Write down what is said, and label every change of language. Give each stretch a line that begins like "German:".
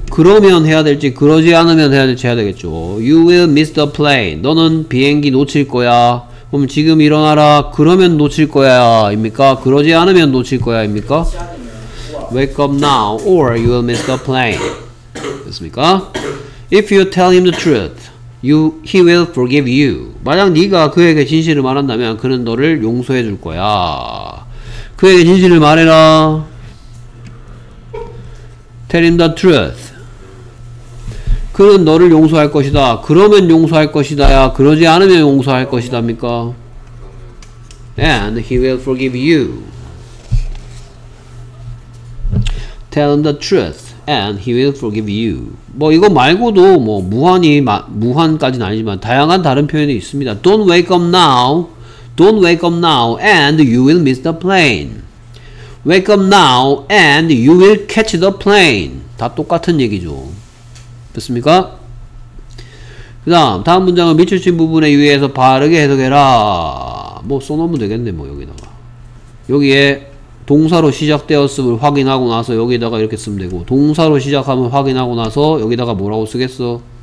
Korean: 그러면 해야 될지 그러지 않으면 해야 될지 해야 되겠죠.
English: You will miss the plane. 너는 비행기 놓칠 거야.
Korean: 그럼 지금 일어나라. 그러면 놓칠 거야입니까? 그러지 않으면 놓칠 거야입니까?
English: Wake up now or you will miss the plane. 됐습니까? If you tell him the truth, he will forgive you.
Korean: 만약 네가 그에게 진실을 말한다면 그는 너를 용서해 줄 거야. 그에게 진실을 말해라.
English: Tell him the truth.
Korean: 그는 너를 용서할 것이다. 그러면 용서할 것이다야. 그러지 않으면 용서할 것이다입니까?
English: And he will forgive you. Tell him the truth. And he will forgive you.
Korean: 뭐 이거 말고도 뭐 무한까지는 아니지만 다양한 다른 표현이 있습니다.
English: Don't wake up now. Don't wake up now. And you will miss the plane. Wake up now and you will catch the plane.
Korean: 다 똑같은 얘기죠. 됐습니까? 그 다음 다음 문장을 미칠신 부분에 유의해서 바르게 해석해라. 뭐 써놓으면 되겠네 뭐 여기다가. 여기에 동사로 시작되었음을 확인하고 나서 여기다가 이렇게 쓰면 되고 동사로 시작하면 확인하고 나서 여기다가 뭐라고 쓰겠어?